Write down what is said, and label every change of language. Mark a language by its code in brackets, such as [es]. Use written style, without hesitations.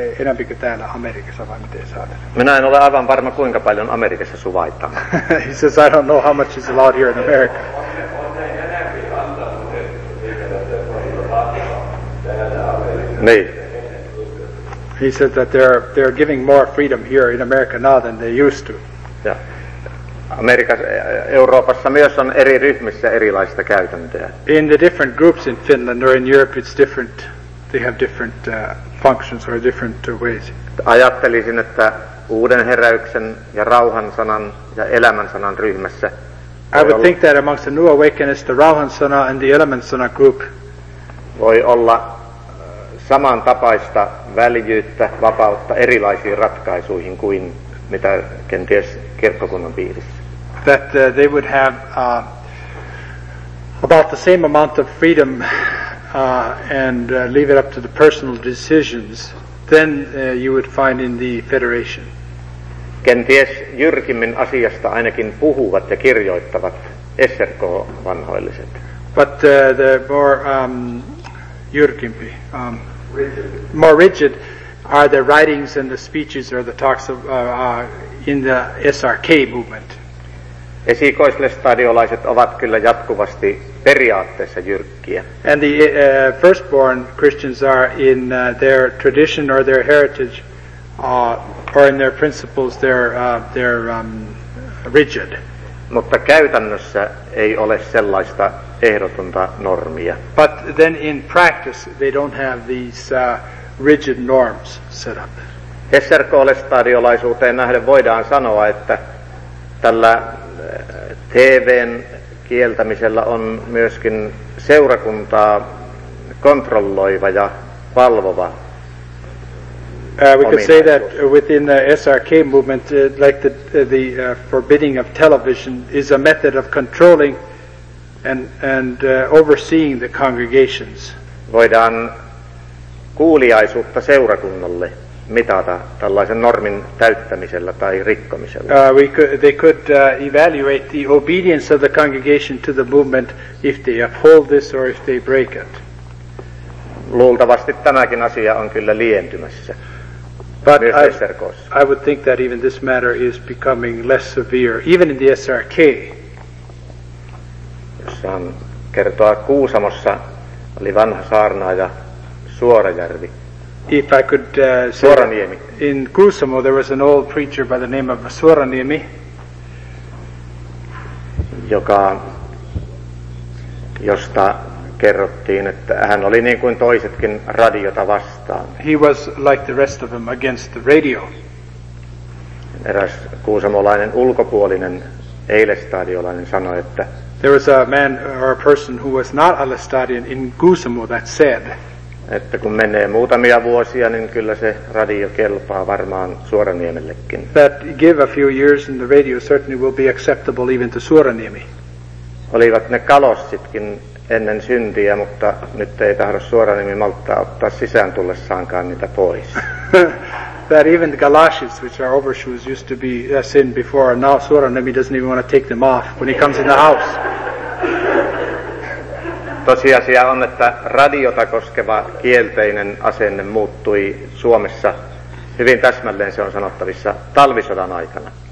[fi] enemmän kuin täällä Amerikassa, vai miten saadaan? Minä en ole aivan varma, kuinka paljon Amerikassa suvaitaan. [en] He says, I don't know how much is allowed here in America. [fi] Mm. Niin. [en] He said that they're giving more freedom here in America now than they used to. [fi] Ja. Amerikassa, Euroopassa myös on eri ryhmissä erilaista käytäntöä. [en] In the different groups in Finland or in Europe it's different. They have different functions or different ways. [fi] Ajattelisin, että uuden heräyksen ja rauhan sanan ja elämän sanan ryhmässä. [en] I would think that amongst the new awakeness, the Rauhan Sana and the Elämän Sana group [fi] voi olla samantapaista väljyyttä, vapautta erilaisiin ratkaisuihin kuin mitä kenties kirkkokunnan piirissä. [en] That they would have about the same amount of freedom and leave it up to the personal decisions then you would find in the federation. [fi] Kenties jyrkimmin asiasta ainakin puhuvat ja kirjoittavat SRK-vanhoilliset. [en] But the more [fi] jyrkimpi, [en] rigid. More rigid are the writings and the speeches or the talks of in the SRK movement. [fi] Esikoislestadiolaiset ovat kyllä jatkuvasti periaatteessa jyrkkiä. [en] And the firstborn Christians are in their tradition or their heritage or in their principles they're rigid. [fi] Mutta käytännössä ei ole sellaista ehdotonta normia. [en] But then in practice they don't have these rigid norms set up. [fi] SRK-lestadiolaisuuteen nähden voidaan sanoa, että tällä TV:n kieltämisellä on myöskin seurakuntaa kontrolloiva ja valvova. [en] We could say that within the SRK movement, like the forbidding of television is a method of controlling and overseeing the congregations. [fi] Voidaan kuuliaisuutta seurakunnalle mitata tällaisen normin täyttämisellä tai rikkomisella. [en] They could evaluate the obedience of the congregation to the movement if they uphold this or if they break it. [fi] Luultavasti tämäkin asia on kyllä lientymässä. [en] But I would think that even this matter is becoming less severe, even in the SRK. [fi] Saan kertoa, Kuusamossa oli vanha saarnaaja Suorajärvi. [en] If I could say, in Kuusamo there was an old preacher by the name of Suoraniemi, [fi] joka, josta kerrottiin, että hän oli niin kuin toisetkin radiota vastaan. [en] He was like the rest of them against the radio. [fi] Eräs kuusamolainen ulkopuolinen eilestadiolainen sanoi, että [en] there was a man or a person who was not a lestadian in Kuusamo that said, [fi] että kun menee muutamia vuosia, niin kyllä se radio kelpaa varmaan Suoraniemellekin. [en] That give a few years and the radio certainly will be acceptable even to Suoraniemi. [fi] Olivat ne kalossitkin ennen syntiä, mutta nyt ei tahdo Suoraniemi malttaa ottaa sisään tullessaankaan niitä pois. [en] That even the galoshes, which are overshoes, used to be a sin before, and now Suoraniemi doesn't even want to take them off when he comes in the house. [fi] Tosiasia on, että radiota koskeva kielteinen asenne muuttui Suomessa hyvin täsmälleen, se on sanottavissa, talvisodan aikana.